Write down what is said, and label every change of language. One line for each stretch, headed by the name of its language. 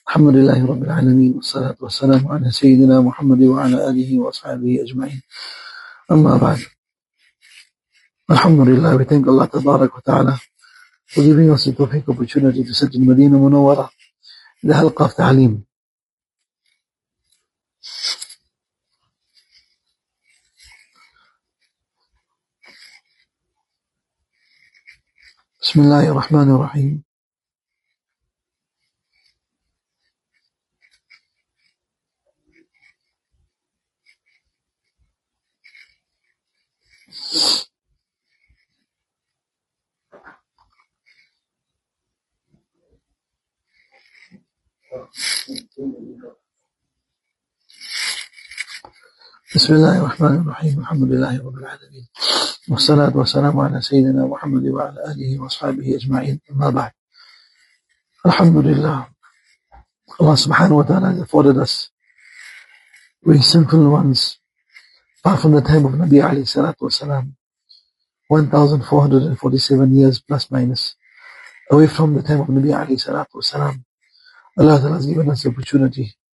Arabic: الحمد لله رب العالمين، والصلاة والسلام على سيدنا محمد وعلى آله وصحبه أجمعين. أما بعد، الحمد لله.
English: We thank Allah
Arabic: تبارك وتعالى
English: for giving us the topic opportunity to sit in Medina Munawwara, the حلقة of تعليم.
Arabic: بسم الله الرحمن الرحيم. بسم الله الرحمن الرحيم. الحمد لله رب العالمين، والصلاة والسلام على سيدنا محمد وعلى آله وصحبه أجمعين. أما بعد، الحمد لله. الله سبحانه وتعالى
English: has afforded us, we sinful ones, apart from the time of Nabi
Arabic: عليه الصلاة والسلام,
English: 1,447 years plus minus, away from the time of Nabi عليه الصلاة والسلام, Allah has given us the opportunity